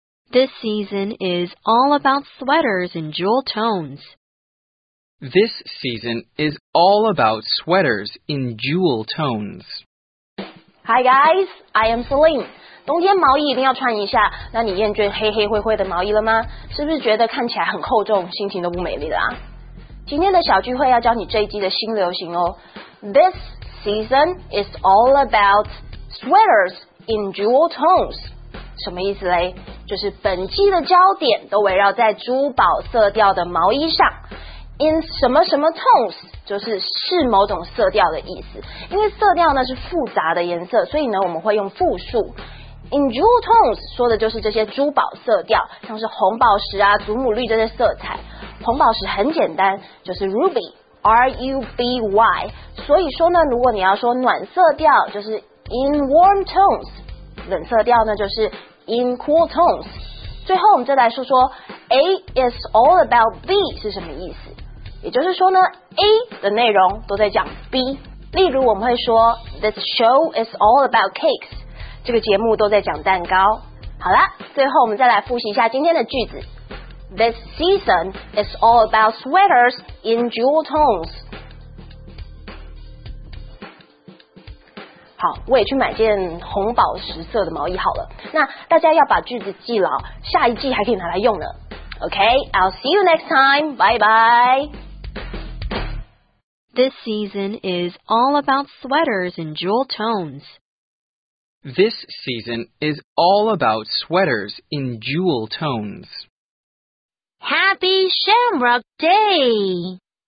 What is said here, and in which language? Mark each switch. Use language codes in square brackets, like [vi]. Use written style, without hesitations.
[en] This season is all about sweaters in jewel tones. This season is all about sweaters in jewel tones. Hi guys, I am Celine. [zh] 冬天毛衣一定要穿一下，那你厌倦黑黑灰灰的毛衣了吗？是不是觉得看起来很厚重，心情都不美丽了啊？今天的小聚会要教你这一季的新流行哦。 [en] This season is all about sweaters in jewel tones. [zh] 什么意思嘞？就是本季的焦点都围绕在珠宝色调的毛衣上。 in 什么什么 tones 就是是某种色调的意思，因为色调呢是复杂的颜色，所以呢我们会用复数。 [en] In jewel tones [zh] 说的就是这些珠宝色调，像是红宝石啊、祖母绿这些色彩。红宝石很简单，就是 ruby, R-U-B-Y。所以说呢，如果你要说暖色调，就是 [en] in warm tones。 [zh] 冷色调呢，就是 [en] in cool tones。 [zh] 最后我们再来说说 [en] A is all about B [zh] 是什么意思？也就是说呢 ，A 的内容都在讲 B。例如我们会说 [en] ，This show is all about cakes。 [zh] 这个节目都在讲蛋糕。好了，最后我们再来复习一下今天的句子。 [en] This season is all about sweaters in jewel tones. [zh] 好，我也去买件红宝石色的毛衣好了。那大家要把句子记牢，下一季还可以拿来用呢。 [en] OK, I'll see you next time. Bye bye. This season is all about sweaters in jewel tones. This season is all about sweaters in jewel tones. Happy Shamrock Day!